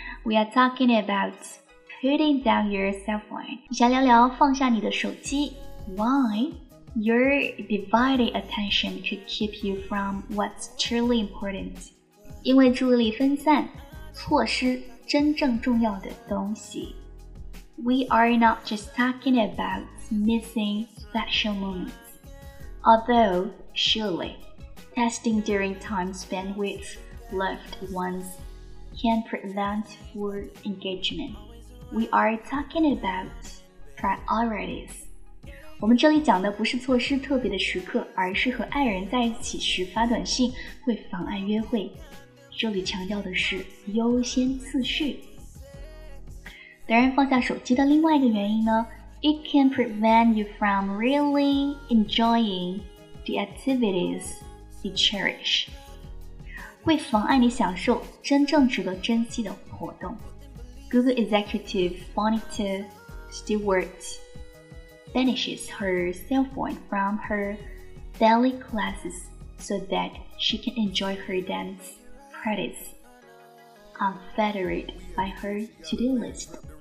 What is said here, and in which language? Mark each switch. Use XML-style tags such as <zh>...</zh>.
<en>We are talking about putting down your cell phone.</en> <zh>一下聊聊放下你的手机。</zh> <en>Why? Your divided attention could keep you from what's truly important.</en> <zh>因为注意力分散，错失真正重要的东西。</zh> <en>We are not just talking about missing special moments. Although, surely, testing during time spent with loved ones can prevent poor engagement. We are talking about priorities.</en> <zh>我们这里讲的不是错失特别的时刻，而是和爱人在一起时发短信会妨碍约会。这里强调的是优先次序。当然，放下手机的另外一个原因呢，</zh> <en>It can prevent you from really enjoying the activities you cherish.</en> <zh>会妨碍你享受真正值得珍惜的活动。</zh> <en>Google executive Bonita Stewart banishes her cell phone from her daily classes so that she can enjoy her dance practice unfettered by her to-do list.</en>